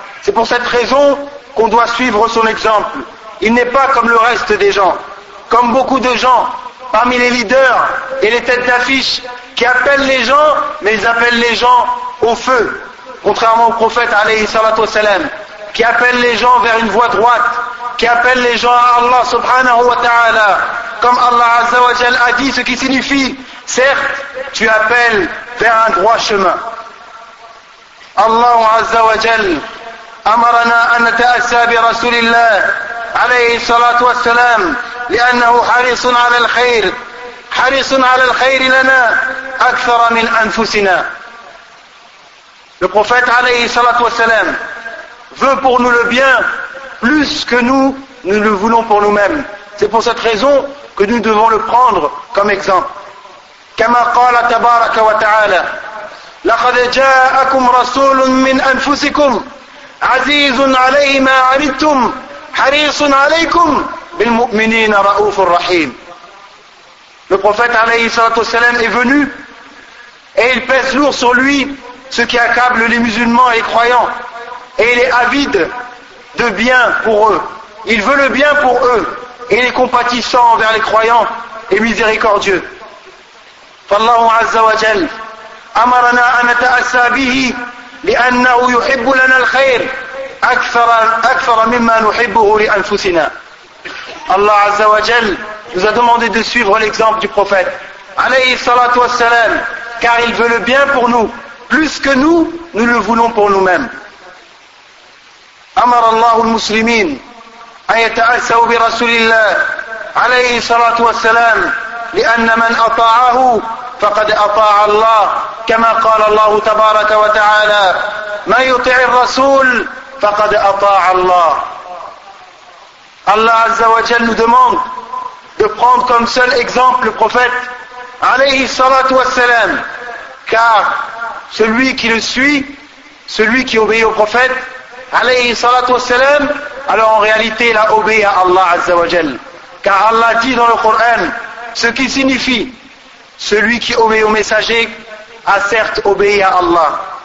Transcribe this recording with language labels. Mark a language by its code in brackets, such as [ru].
[fr] C'est pour cette raison qu'on doit suivre son exemple. Il n'est pas comme le reste des gens, comme beaucoup de gens parmi les leaders et les têtes d'affiche qui appellent les gens, mais ils appellent les gens au feu, contrairement au prophète alayhi salatu wa salam, qui appelle les gens vers une voie droite, qui appelle les gens à Allah subhanahu wa ta'ala, comme Allah azza wa jal a dit, ce qui signifie, certes, tu appelles vers un droit chemin. [ar] Allah azza wa jal أمرنا أن نتأسى برسول الله عليه الصلاة والسلام لأنه حريص على الخير حريص على الخير لنا أكثر من أنفسنا. [fr] Le prophète عليه الصلاة والسلام veut pour nous le bien plus que nous le voulons pour nous-mêmes. C'est pour cette raison que nous devons le prendre comme exemple. [ar] كما قال تبارك وتعالى لقد جاءكم رسول من أنفسكم عزيز عليه ما عنتم حريص عليكم بالمؤمنين رؤوف الرحيم. [fr] Le prophète alayhi salatu wasalam est venu et il pèse lourd sur lui ce qui accable les musulmans et les croyants et il est avide de bien pour eux. Il veut le bien pour eux et il est compatissant envers les croyants et miséricordieux. [ar] فالله عز وجل أمرنا أن نتأسى به لأنه يحب لنا الخير أكثر مما نحبه لأنفسنا. [fr] الله عز وجل nous a demandé de suivre l'exemple du prophète عليه الصلاة والسلام car il veut le bien pour nous plus que nous le voulons pour nous-mêmes. [ar] أمر الله المسلمين أن يتأسوا برسول الله عليه الصلاة والسلام لأن من أطاعه فقد أطاع الله كما قال الله تبارك وتعالى من يطع الرسول فقد أطاع الله. [fr] الله عز وجل nous demande de prendre comme seul exemple le prophète عليه الصلاة والسلام car celui qui le suit, celui qui obéit au prophète عليه الصلاة والسلام, alors en réalité il a obéi à Allah عز وجل car Allah dit dans le Coran, ce qui signifie celui qui obéit au messager a certes obéi à Allah.